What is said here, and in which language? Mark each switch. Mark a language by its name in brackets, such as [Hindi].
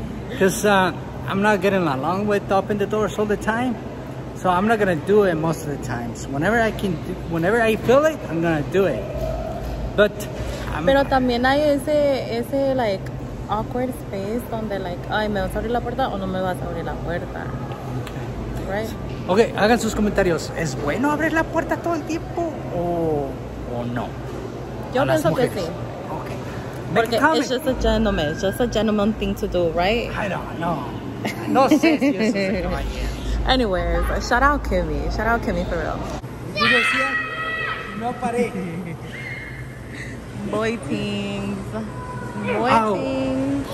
[English] Because I'm not getting along with opening the doors all the time. So I'm not going to do it most of the times. So whenever I can, whenever I feel it, I'm going to do it. But I'm... [Spanish] Pero también hay ese [English] like awkward space [Spanish] donde like, ay, ¿me vas a abrir la puerta o no me vas a abrir la puerta? [English] Okay. Right? [Spanish] Okay, hagan sus comentarios. ¿Es bueno abrir la puerta todo el tiempo o no? Yo a pienso que sí. Porque es [English] just a gentleman. It's just a gentleman thing to do, right? I don't know. [Spanish] No sé si eso [English] es anywhere. But shout out Kimmy. Shout out Kimmy for real. [Spanish] No paré. [English] Boy things. Boy things.